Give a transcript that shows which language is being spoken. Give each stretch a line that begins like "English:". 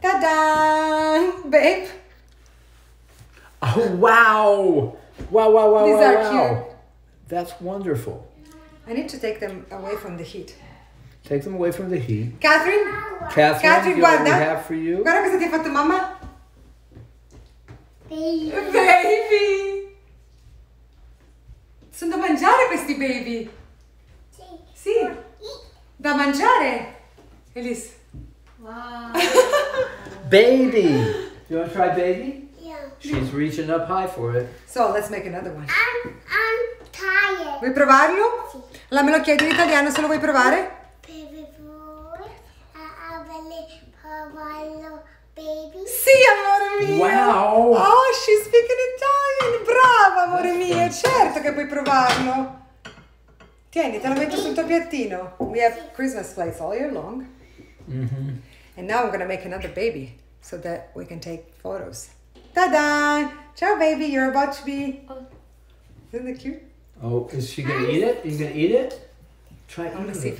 English: Ta-da! Babe! Oh, wow! Wow, wow, wow, these wow, are wow. Cute. That's wonderful. I need to take them away from the heat. Take them away from the heat. Catherine? Catherine, what do we have for you?
Italian: Guarda cosa ti ha fatto mamma?
English: Baby! Baby!
Italian: Sono da mangiare questi baby! Sì! Sì! Da mangiare! Elise!
English: Wow! Baby! Do you want to try baby? Yeah. She's reaching up high for it. So, let's make another one. I'm tired.
Italian: Vuoi provarlo? Sì. La me lo chiedi in italiano se lo vuoi provare?
English: Baby boy,
Italian: avele provarlo.
English: Baby.
Italian: Sì, amore mio!
English: Wow! Oh, she's speaking Italian!
Italian: Brava, amore mio! Certo che puoi provarlo! Tieni, te lo metto sul tuo piattino.
English: We have Christmas plates all year long. Mm-hmm. And now I'm going to make another baby so that we can take photos. Ta-da! Ciao, baby. You're about to be... Oh. Isn't it cute? Oh, is she going to eat it? You going to eat it? Try I'm eating see if